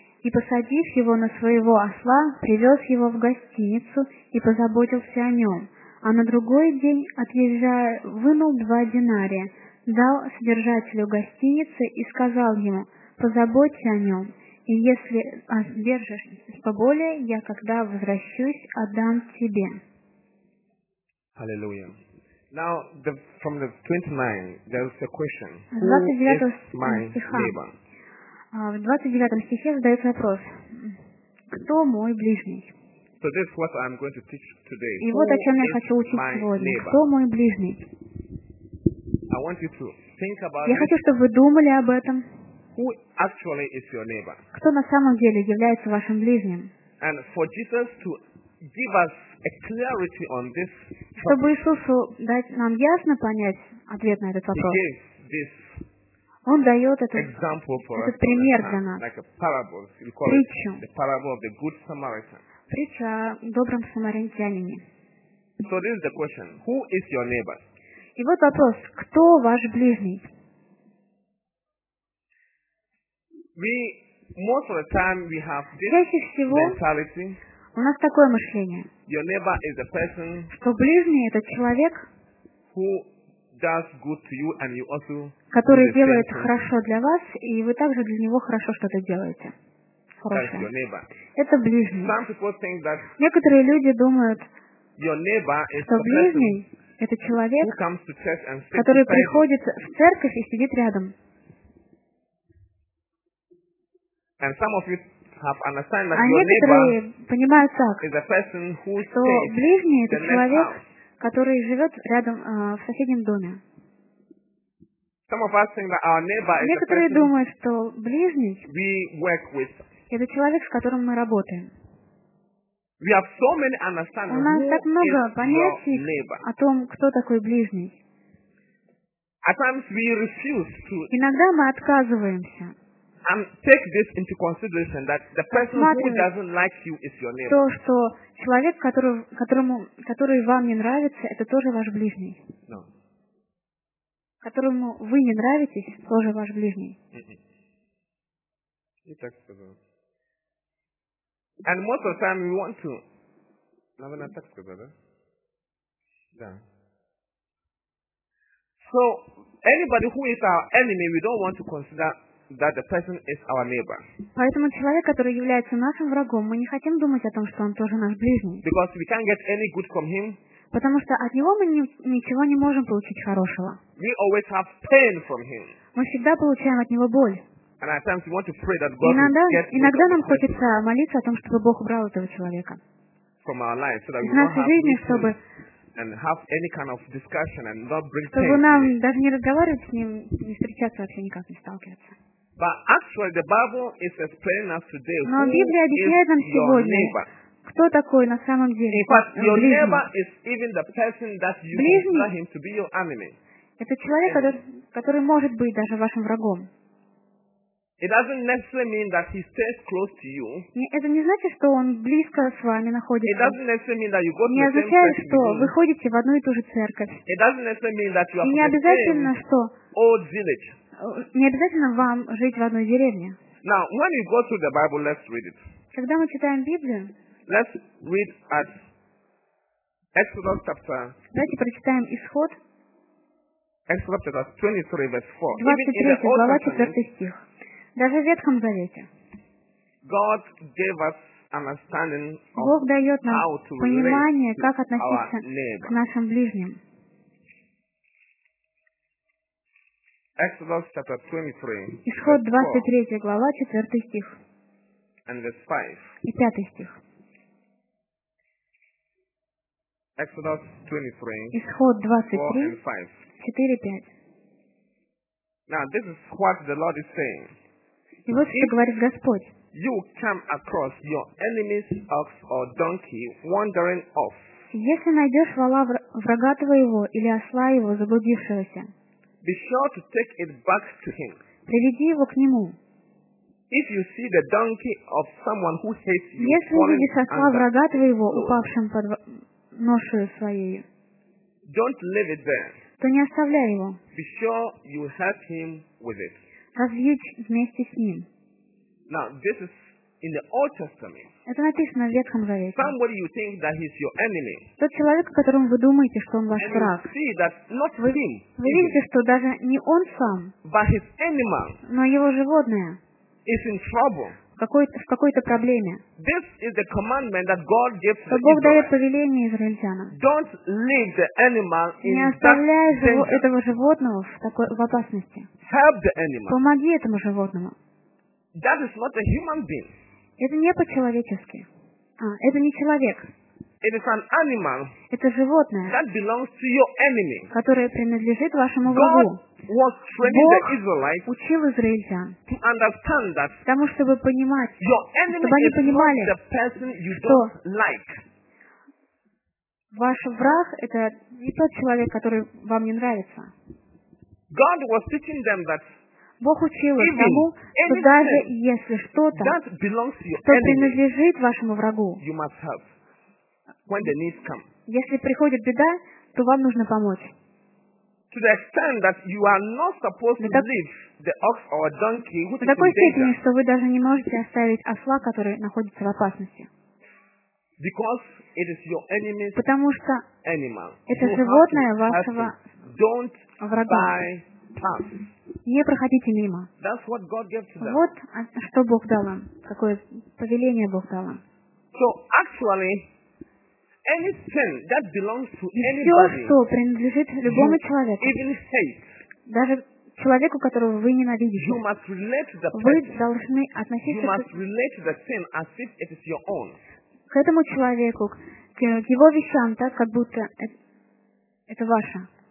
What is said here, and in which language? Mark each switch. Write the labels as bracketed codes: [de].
[ru] и, посадив его на своего осла, привез его в гостиницу и позаботился о нем, а на другой день, отъезжая, вынул 2 динария, дал содержателю гостиницы и сказал ему: «Позаботься о нем, и если сдержишь поболее, я, когда возвращусь, отдам тебе». Аллилуйя. [en] Now, the, from the 29, there is a question. [ru] В 29 стихе задается вопрос: кто мой ближний? [en] So this is what I'm going to teach today. [ru] И вот о чем я хочу учить сегодня. Кто мой ближний? [en] I want you to think about [ru] я хочу, чтобы вы думали об этом. [en] Who actually is your neighbor? [ru] Кто на самом деле является вашим ближним? [en] And for Jesus to give us a clarity on this topic, [ru] чтобы Иисусу дать нам ясно понять ответ на этот вопрос, [en] he gave this [ru] Он дает этот пример для нас. [en] Like a parable, you call [ru] притчу. [en] It the parable of the good Samaritan. [ru] Притча о добром самаритянине. [en] So this is the question. Who is your neighbor? [ru] И вот вопрос: кто ваш ближний? Чаще всего у нас такое мышление, [en] your neighbor is a person, [ru] что ближний — это человек, [en] who does good to you and you also [ru] который делает хорошо для вас, и вы также для него хорошо что-то делаете. [en] That's your neighbor. [ru] Это ближний. [en] Some people think that [ru] некоторые люди думают, [en] your neighbor is [ru] что ближний это человек, который приходит в церковь и сидит рядом. [en] And some of you have understand that [ru] а некоторые понимают так, что ближний — это человек, который живет рядом в соседнем доме. [en] Some of us think that our neighbor is [ru] некоторые думают, что ближний [en] we work with. [ru] Это человек, с которым мы работаем. [en] We have so many understandings. [ru] У нас так много понятий о том, кто такой ближний. [en] At times we refuse to. [ru] Иногда мы отказываемся. [en] And take this into consideration that the person who doesn't like you is your neighbor. [ru] То, что человек, который вам не нравится, это тоже ваш ближний. [en] No. [ru] Которому вы не нравитесь, тоже ваш ближний. И так сказал. [en] And most of the time we want to. [ru] Наверное, так сказать, да? Да. [en] So anybody who is our enemy, we don't want to consider that the person is our neighbor. [ru] Поэтому человек, который является нашим врагом, мы не хотим думать о том, что он тоже наш ближний. [en] Because we can't get any good from him. [ru] Потому что от него мы ничего не можем получить хорошего. [en] We always have pain from him. [ru] Мы всегда получаем от него боль. [en] And at times we want to pray that God will get rid of. [ru] Иногда нам хочется молиться о том, чтобы Бог убрал этого человека. [en] From our life, so that we don't have [ru] чтобы нам даже не разговаривать с ним, не встречаться вообще никак, не сталкиваться. [en] But actually, the Bible is explaining us today. [ru] Но Библия объясняет нам сегодня, кто такой на самом деле. [en] Your neighbor is even the person that you consider him to be your enemy. [ru] Это человек, который может быть даже вашим врагом. [en] It doesn't necessarily mean that he stays close to you. [ru] Это не значит, что он близко с вами находится. [en] It doesn't necessarily mean that you go to the same church. [ru] Не означает, что вы ходите в одну и ту же церковь. [en] It doesn't necessarily mean that you are. [ru] Не обязательно, что. [en] Old village. [ru] Не обязательно вам жить в одной деревне. [en] Now, when you go through the Bible, let's read it. [ru] Когда мы читаем Библию. [en] Let's read at Exodus chapter. [ru] Давайте прочитаем Исход. [en] Exodus 23, verse 4. [ru] 23, глава 4 стих. Даже в Ветхом Завете. [en] God gave us understanding of [ru] Бог дает нам [en] how to [ru] понимание, как относиться к нашим ближним. [en] Exodus chapter 23. [ru] Исход 23, глава 4 стих. [en] And verse 5. [ru] И 5 стих. [en] Exodus 23. [ru] Исход 23. 4:5. [en] Now this is what the Lord is saying. [ru] И вот что говорит Господь. [en] You come across your enemy's ox or donkey wandering off. [ru] Если найдешь вола врага твоего или осла его заблудившегося. [en] Be sure to take it back to him. [ru] Приведи его к нему. [en] If you see the donkey of someone who hates you, [ru] если увидишь осла врага твоего, упавшим под ношу своей, [en] don't leave it there. [ru] То не оставляй его. [en] Be sure you help him with it. [ru] Разъедь вместе с ним. [en] Now this is in the Old Testament. [ru] Это написано в Ветхом Завете. [en] Somebody you think that he's your enemy. [ru] Тот человек, о котором вы думаете, что он ваш враг. [en] See that not him. [ru] Вы видите, что даже не он сам. [en] But his animal. [ru] Но его животное. [en] Is in trouble. [ru] В какой-то проблеме. [en] This is the commandment that God gives to Israel. [ru] Бог дает повеление израильтянам. [en] Don't leave the animal in danger. [ru] Не оставляй этого животного в опасности. [en] Help the animal. [ru] Помоги этому животному. [en] That is not a human being. [ru] Это не по-человечески. Это не человек. [en] It is an animal. [ru] Это животное. [en] That belongs to your enemy. [ru] Которое принадлежит вашему врагу. [en] Was training [ru] Бог учил израильтян [en] to understand that [ru] тому, чтобы понимать, [en] your enemy [ru] чтобы они понимали, [en] is not the person you don't like. [ru] Ваш враг — это не тот человек, который вам не нравится. [en] God was teaching them that [ru] Бог учил их тому, что даже если что-то, [en] that belongs to your [ru] что [en] enemy, [ru] принадлежит вашему врагу, [en] you must help when the need come. [ru] Если приходит беда, то вам нужно помочь. [en] To the extent that you are not supposed to leave the ox or a donkey which is in danger. [ru] До такой степени, что вы даже не можете оставить осла, который находится в опасности. [en] Because it is your enemy's animal. [ru] Потому что [en] animal. [ru] Это животное вашего [en] Don't [ru] врага. [en] Buy pass. [ru] Не проходите мимо. [en] That's what God gave to them. [ru] Вот что Бог дал вам. Какое повеление Бог дал вам. [en] So actually, anything that belongs to anybody, [ru] и все, что принадлежит любому человеку, [en] even hate, [ru] даже человеку, которого вы ненавидите, [en] you must relate to the [ru] вы должны относиться [en] you must relate to the thing as if it is your own. [ru] К этому человеку, к его вещам, так как будто это ваше.